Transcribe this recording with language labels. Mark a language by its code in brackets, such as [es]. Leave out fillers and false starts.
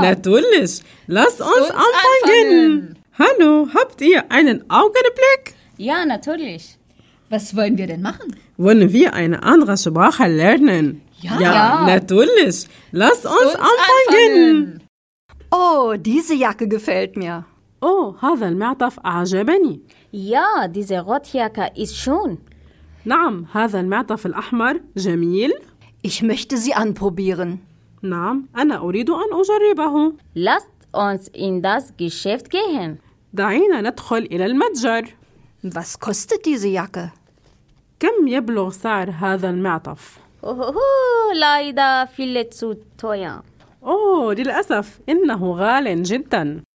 [de] natürlich. Lasst uns anfangen. Hallo, habt ihr einen Augenblick? Ja, natürlich. Was wollen wir denn machen? Wollen wir eine andere Sprache lernen? Ja, natürlich. Lasst uns anfangen. Oh, diese Jacke gefällt mir. [ar] Oh, هذا المعطف أعجبني. [de] Ja, diese Rotjacke ist schön. [ar] نعم, هذا المعطف الأحمر جميل. [de] Ich möchte sie anprobieren. [ar] نعم, أنا أريد أن أجربه. [de] Lasst uns in das Geschäft gehen. [ar] دعينا ندخل إلى المتجر. [de] Was kostet diese Jacke? [ar] كم يبلغ سعر هذا المعطف؟ [de] Ohoho, leider viel zu teuer. [ar] Oh, للأسف, إنه غال جداً.